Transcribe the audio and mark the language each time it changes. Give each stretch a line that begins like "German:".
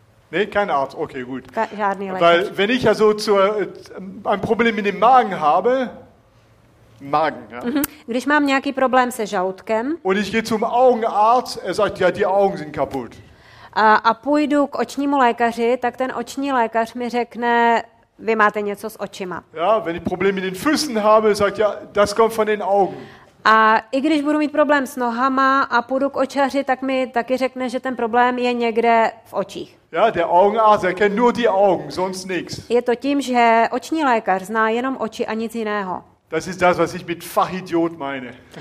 German: Nee, kein Arzt. Okay, gut.
Czech: Žádný lékař.
German: Weil wenn ich also zu ein Problem mit dem Magen habe, Magen, ja.
Czech: Když mám nějaký problém se žaludkem.
German: Und ich gehe zum Augenarzt, er sagt ja, die Augen sind kaputt.
Czech: A půjdu k očnímu lékaři, tak ten oční lékař mi řekne, vy máte něco s očima.
German: Ja, wenn ich Probleme mit den Füßen habe, sagt ja, das kommt von den Augen.
Czech: A i když budu mít problém s nohama a půjdu k očaři, tak mi taky řekne, že ten problém je někde v očích.
German: Ja, der Augenarzt, er kennt nur die Augen, sonst nichts.
Czech: Je to tím, že oční lékař zná jenom oči a nic jiného.
German: Das ist das, was ich mit Fachidiot meine.